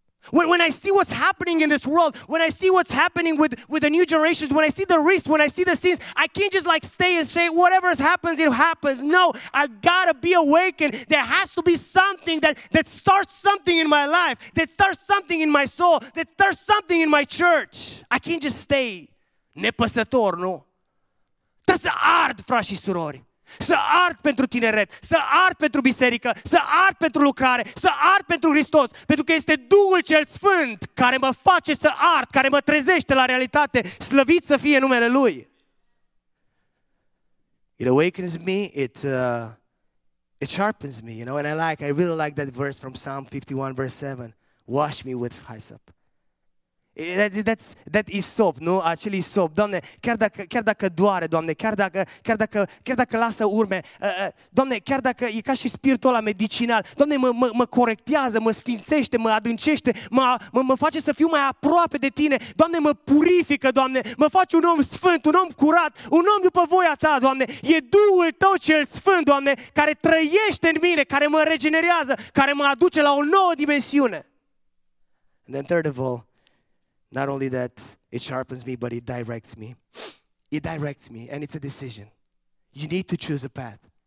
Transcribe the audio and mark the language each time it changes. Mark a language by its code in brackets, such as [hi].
[en] When I see what's happening in this world, when I see what's happening with the new generations, when I see the risks, when I see the sins, I can't just like stay and say, whatever happens, it happens. No, I gotta be awakened. There has to be something that starts something in my life, that starts something in my soul, that starts something in my church. I can't just stay [ro] nepăsător, nu? Trebuie să ard, frați și surori. Să ard pentru tineret, să ard pentru biserică, să ard pentru lucrare, să ard pentru Hristos, pentru că este Duhul cel Sfânt care mă face să ard, care mă trezește la realitate, slăvit să fie numele Lui. [en] It awakens me, it sharpens me, you know, and I really like that verse from Psalm 51, verse 7. Wash me with hyssop. That is soap, [ro] nu? Acel isop. Doamne, chiar dacă doare, Doamne, chiar dacă lasă urme, Doamne, chiar dacă e ca și spiritul ăla medicinal, Doamne, mă corectează, mă sfințește, mă adâncește, mă face să fiu mai aproape de Tine, Doamne, mă purifică, Doamne, mă faci un om sfânt, un om curat, un om după voia Ta, Doamne, e Duhul Tău cel Sfânt, Doamne, care trăiește în mine, care mă regenerează, care mă aduce la o nouă dimensiune. [en] And then third of all, not only that it sharpens me, but it directs me. It directs me, and it's a decision. You need to choose a path.